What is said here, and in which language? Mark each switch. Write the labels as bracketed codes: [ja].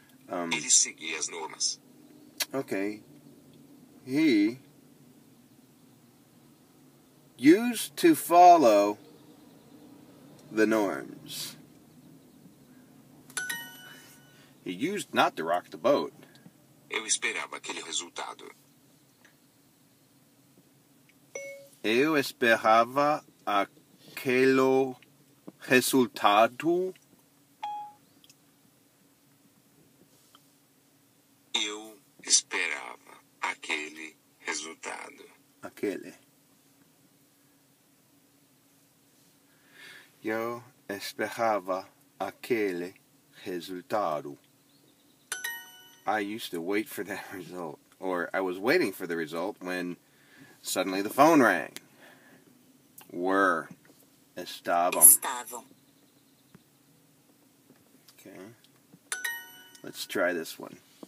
[pt] Ele seguia as normas. [en] Okay. He used to follow the norms. He used not to rock the boat. [pt] Eu esperava aquele resultado. Eu esperava aquele resultado. Eu esperava aquele resultado. Aquele. Eu esperava aquele resultado. [en] I used to wait for that result, or I was waiting for the result when suddenly the phone rang. Were. [pt] Estavam. Estavam. [en] Okay. Let's try this one.